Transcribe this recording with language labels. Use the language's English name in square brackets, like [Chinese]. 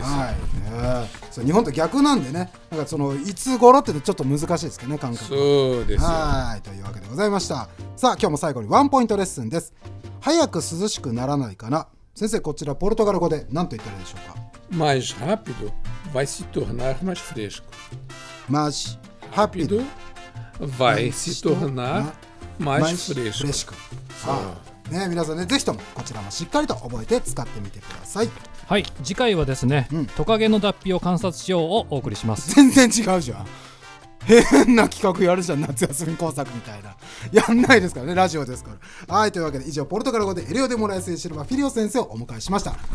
[Japanese] はい、そう、日本と逆なんでね、なんかそのいつ頃ってちょっと難しいですけどね、感覚。そうですよ、はい、というわけでございました。さあ今日も最後にワンポイントレッスンです。早く涼しくならないかな。先生、こちらポルトガル語で何と言ったらいいでしょうか。 [Portuguese] マジハピドバイシトーナーマジフレシコ。マジハピド Vai se tornar mais fresco. Fresco. [Japanese] ね、皆さんね、ぜひともこちらもしっかりと覚えて使ってみてください。はい、次回はですね、トカゲの脱皮を観察しようをお送りします。全然違うじゃん、変な企画やるじゃん、夏休み工作みたいな。やんないですからね、ラジオですから。はい、というわけで以上、ポルトガル語でエリオデモライスエシルバフィリオ先生をお迎えしました。